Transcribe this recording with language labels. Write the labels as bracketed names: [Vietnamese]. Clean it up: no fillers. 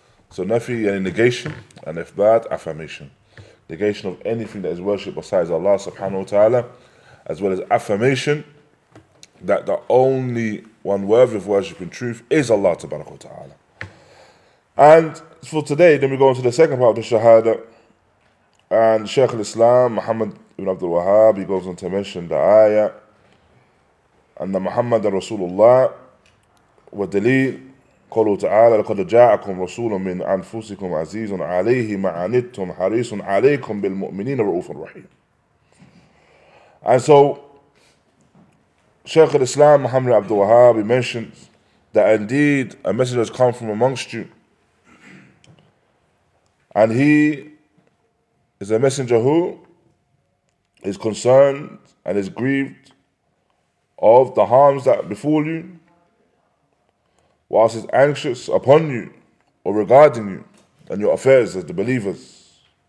[English] So nafi, yani negation, and ithbat, affirmation. Negation of anything that is worshipped besides Allah subhanahu wa ta'ala, as well as affirmation that the only one worthy of worship in truth is Allah subhanahu wa ta'ala. And for today, then we go on to the second part of the shahada. And Shaykh al-Islam, Muhammad ibn Abdul Wahhab, he goes on to mention the ayah, [Arabic] أن محمد رسول الله ودليل قوله تعالى لقد جاءكم رسول من أنفسكم عزيز عليه ما عنتم حريص عليكم بالمؤمنين رؤوف رحيم. [English] And so Shaykh al-Islam Muhammad Abdul Wahhab mentions that indeed a messenger has come from amongst you, and he is a messenger who is concerned and is grieved of the harms that befall you, whilst he's anxious upon you or regarding you and your affairs as the believers.